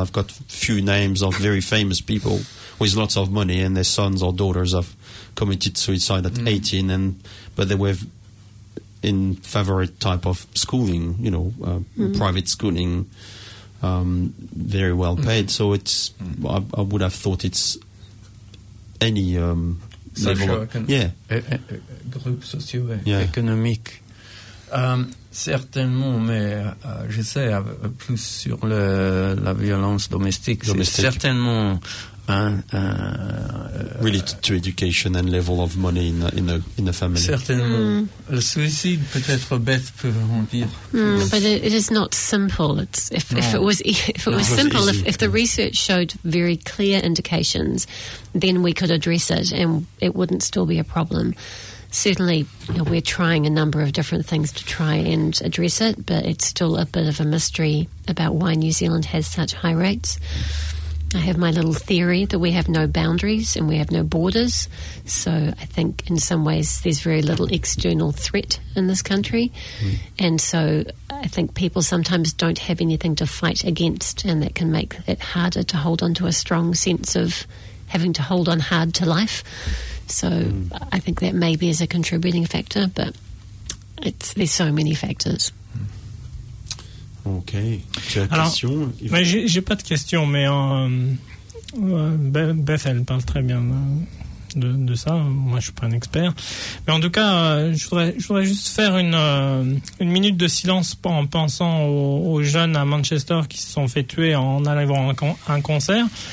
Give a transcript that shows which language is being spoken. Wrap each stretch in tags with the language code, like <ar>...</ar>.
<en>I've got few names of very famous people with lots of money, and their sons or daughters have committed suicide at 18, but they were in favorite type of schooling, you know, private schooling, very well paid. So it's, I would have thought it's any level of, group socio</en> <fr>économique. Certainement, mais je sais plus sur la violence domestique. Certainement.</fr> <en>Related to education and level of money in a family.</en> <fr>Certainement. Le suicide peut être bête, peut en dire.</fr> <en>But it is not simple. It's if the research showed very clear indications, then we could address it and it wouldn't still be a problem. Certainly, you know, we're trying a number of different things to try and address it, but it's still a bit of a mystery about why New Zealand has such high rates. I have my little theory that we have no boundaries and we have no borders. So I think in some ways there's very little external threat in this country. Mm. And so I think people sometimes don't have anything to fight against, and that can make it harder to hold on to a strong sense of having to hold on hard to life. So I think that maybe is a contributing factor, but there's so many factors.</en> <fr>Ok, tu as une question? Mais j'ai pas de question, mais Beth, elle parle très bien de ça. Moi, je suis pas un expert. Mais en tout cas, je voudrais juste faire une minute de silence en pensant aux jeunes à Manchester qui se sont fait tuer en allant voir un concert.</fr>